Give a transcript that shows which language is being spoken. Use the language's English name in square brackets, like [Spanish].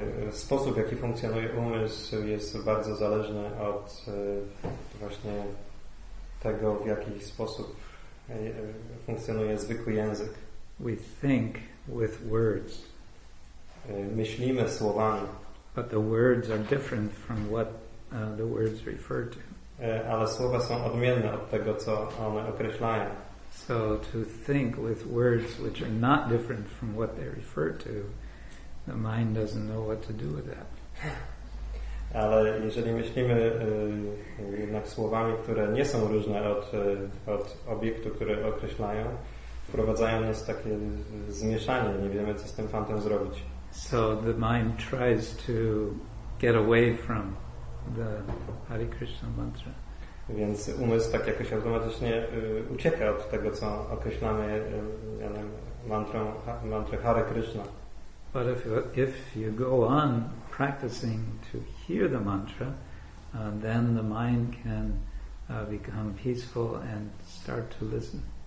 [Polish] Sposób, w jaki funkcjonuje umysł, jest bardzo zależny od właśnie tego, w jaki sposób funkcjonuje zwykły język. [English] We think with words. [Polish] Myślimy słowami. [English] But the words are different from what the words refer to. [Polish] Ale słowa są odmienne od tego, co one określają. [English] So to think with words which are not different from what they refer to, the mind doesn't know what to do with that. [Polish] Ale jeżeli myślimy jednak słowami, które nie są różne od obiektu, które określają, wprowadzają nas takie zmieszanie, nie wiemy, co z tym fantem zrobić. [English] So the mind tries to get away from the Hare Krishna mantra. [Polish] Więc umysł tak jakoś automatycznie ucieka od tego, co określamy mantrą Hare Krishna. [English] But if you go on practicing to hear the mantra, then the mind can become peaceful and start to listen.